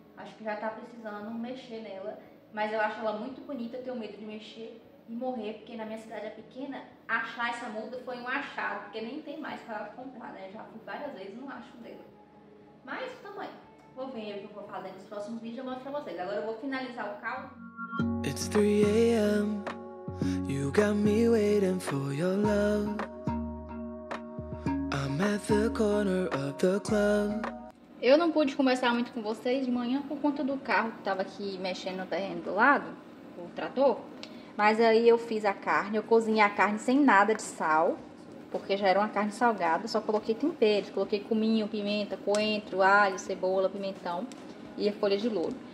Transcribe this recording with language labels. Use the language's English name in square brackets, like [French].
[Portuguese] Acho que já tá precisando mexer nela, mas eu acho ela muito bonita, tenho medo de mexer e morrer, porque na minha cidade é pequena, achar essa muda foi um achado, porque nem tem mais pra comprar, né? Já fui várias vezes e não acho dela. Mas tamo aí. Vou ver o que eu vou fazer nos próximos vídeos e eu mostro pra vocês. Agora eu vou finalizar o caldo. [English] It's 3 a.m. You got me waiting for your love. I'm at the corner of the club. [Portuguese] Eu não pude conversar muito com vocês de manhã por conta do carro que tava aqui mexendo no terreno do lado, o trator. Mas aí eu fiz a carne, eu cozinhei a carne sem nada de sal, porque já era uma carne salgada, só coloquei temperos, coloquei cominho, pimenta, coentro, alho, cebola, pimentão e folha de louro.